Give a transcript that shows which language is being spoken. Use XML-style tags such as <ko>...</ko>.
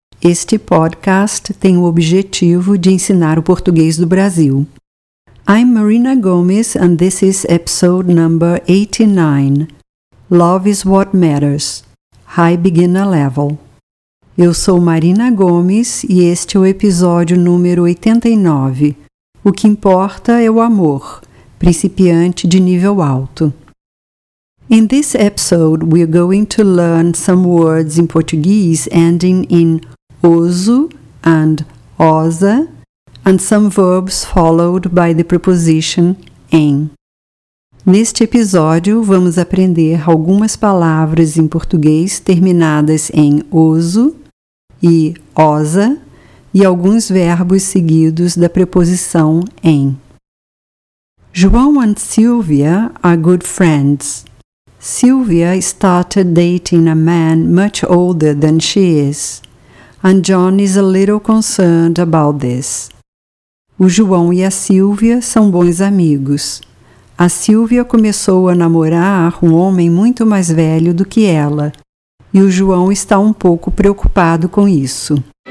<pt>Este podcast tem o objetivo de ensinar o português do Brasil.</pt> <en>I'm Marina Gomes and this is episode number 89. Love is what matters. High beginner level.</en> <pt>Eu sou Marina Gomes e este é o episódio número 89. O que importa é o amor, principiante de nível alto.</pt> <en>In this episode, we're going to learn some words in Portuguese ending in oso and osa, and some verbs followed by the preposition em.</en> <pt>Neste episódio, vamos aprender algumas palavras em português terminadas em oso e osa, e alguns verbos seguidos da preposição em.</pt> <en>João and Silvia are good friends. Silvia started dating a man much older than she is, and John is a little concerned about this.</en> <pt>O João e a Silvia são bons amigos. A Silvia começou a namorar um homem muito mais velho do que ela, e o João está um pouco preocupado com isso.</pt>